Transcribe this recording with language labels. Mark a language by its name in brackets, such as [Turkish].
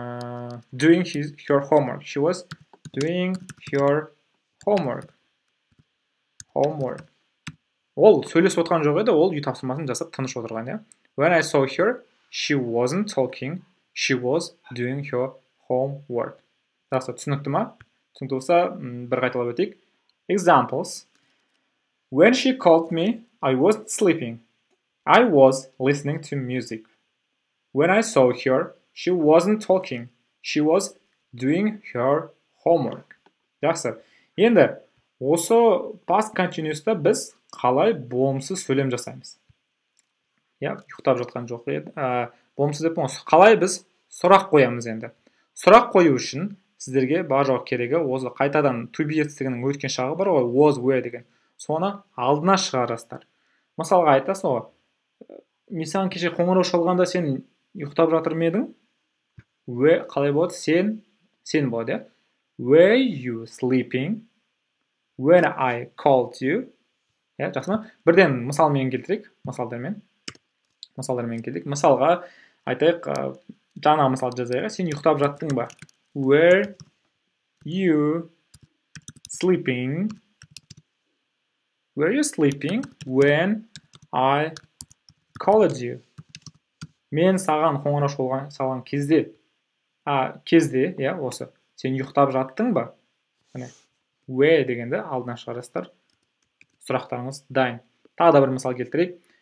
[English] She was doing her homework. She was doing her homework. Homework. [Kazakh] Ол сөйлесіп отырған жоқ еді, ол үй тапсырмасын жасап тыныш отырған, иә. [English] When I saw her, she wasn't talking. She was doing her homework. [Kazakh] Жақсы, түсінікті ма? Түсінікті болса, бір қайталап өтейік. [English] Examples. When she called me, I wasn't sleeping. I was listening to music. When I saw her, she wasn't talking. She was doing her homework. [Kazakh] Жақсы. Енді осы past continuous-та біз қалай болымсыз сөйлем жасаймыз? Иә, ұйықтап жатқан жоқ еді. Болымсыз деп осы. Қалай біз сұрақ қоямыз енді? Сұрақ қою үшін сіздерге бар жоқ керегі осы қайтадан to be етістігінің өткен шағы бар ғой, was, were деген. Соны алдына шығарасыздар. Мысалға айтасыз ғой. Мысалы кеше қоңырау шалғанда сен ұйықтап жатыр ма едің? Қалай болады? Сен Сен болады. [English] Were you sleeping when I called you? [Kazakh] Yeah, жақсы ма? Бірден мысалмен келтірейік. Мысалдармен келдік. Мысалға айтайық, жаңа мысал жазайық. Сен ұйықтап жаттың ба? [English] Were you sleeping? Were you sleeping when I called you? [Kazakh] Мен саған қоңырау шалған саған кезде. Кезде, иә, осы. Сен ұйықтап жаттың ба? Міне. Where дегенді алдына шығарасыздар. Сұрақтарыңыз дайын. Тағы да бір мысал келтірейік.